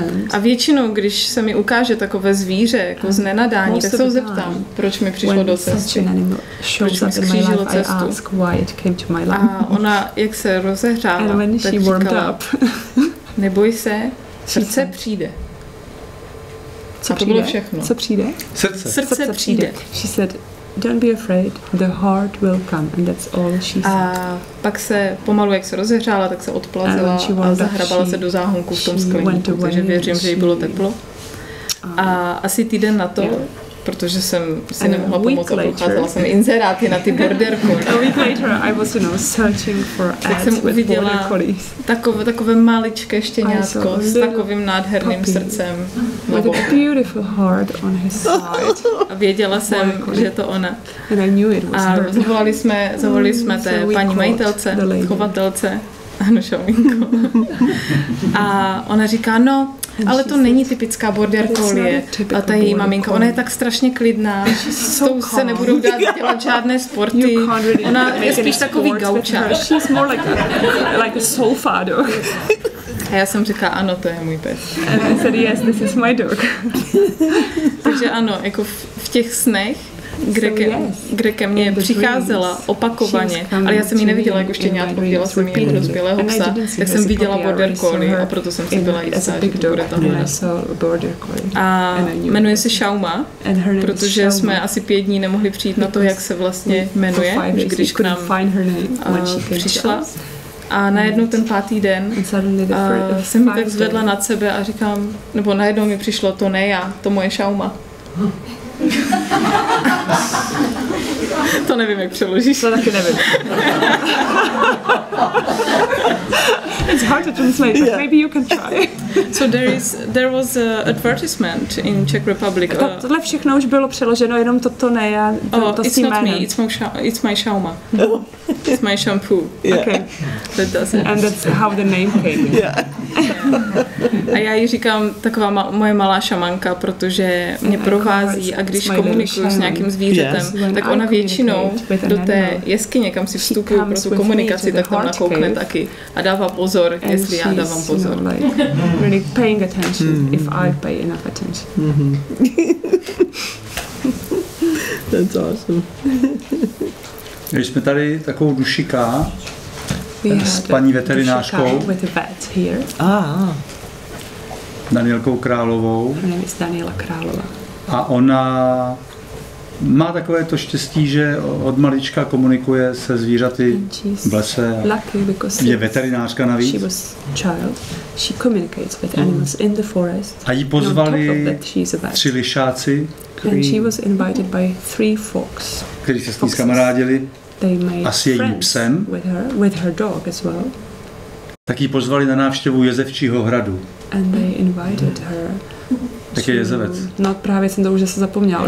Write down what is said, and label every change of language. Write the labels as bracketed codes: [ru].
[cs] A většinou, když se mi ukáže takové zvíře, jako znenadání, tak se ho zeptám, proč mi přišlo do cesty. Proč mi skřížilo cestu. A ona, jak se rozehřála, tak říkala, neboj se, srdce přijde. Co to bylo všechno? Co přijde? Srdce přijde. [en] She said, don't be afraid, the heart will come, and that's all she said. [cs] A pak se pomalu, jak se rozehřála, tak se odplazila a zahrabala se do záhonku v tom skleníku, takže věřím, že jí bylo teplo. A asi týden na to, protože jsem si nemohla pomoct a procházela jsem inzeráty na ty border collie. [en] A week later I was, you know, searching for ads. [cs] Tak jsem uviděla takové maličké štěňátko s takovým nádherným srdcem. [en] With a beautiful heart on his side. [cs] A věděla jsem, že to ona. [en] And I knew it was her. [cs] A zavolali jsme té paní majitelce, chovatelce, Anu Šalminko. A ona říká, no, ale to není typická border collie. A ta její maminka, ona je tak strašně klidná, s tou se nebudou dát dělat žádné sporty. Ona je spíš takový gaučák. [en] She's more like a sofa dog. [cs] A já jsem řekla, ano, to je můj pes. [en] And I said, yes, this is my dog. [cs] Takže ano, jako v těch snech, kde ke mně přicházela opakovaně, ale já jsem ji neviděla jako štěňátko, viděla jsem ji jako dospělého psa, tak jsem viděla border collie a proto jsem si byla jistá, že to bude tohle. A jmenuje se Shauma, protože jsme asi 5 dní nemohli přijít na to, jak se vlastně jmenuje, když k nám přišla. A najednou ten 5. den jsem ji tak zvedla nad sebe a říkám, nebo najednou mi přišlo, to ne já, to moje Shauma. To nevím, jak přeložíš. To taky nevím. [en] It's hard to translate, but yeah. Maybe you can try. So there was an advertisement in Czech Republic. [cs] Tohle všechno už bylo přeloženo, jenom toto ne, já to s tím jménem. [en] It's not me, it's my Shauma. It's my shampoo. Yeah. Okay. That does it. And that's how the name came. Yeah. [cs] A já jí říkám, taková moje malá šamanka, protože mě provází a když komunikuju s nějakým zvířetem, tak ona většinou do té jeskyně, kam si vstupuju pro tu komunikaci, tak tam nakoukne taky a dává pozor, jestli já dávám pozor. [en] Really paying attention, if I pay enough attention. That's awesome. [cs] Když jsme tady takovou dušiká s paní veterinářkou. [en] With a vet here. [cs] Danielkou Královou. [en] Her name is Daniela Králová. [cs] A ona má takové to štěstí, že od malička komunikuje se zvířaty v lese. Je veterinářka navíc. [en] She was a child. She communicates with animals in the forest. [cs] A jí pozvali tři lišáci. [en] And she was invited by 3 fox. [cs] Kteří se s ní kamarádili. [en] They made [cs] a s jejím psem. [en] With her dog as well. [cs] Tak jí pozvali na návštěvu Jezevčího hradu. [en] And they invited her. [cs] Tak je jezevec. No právě jsem to už zase zapomněla.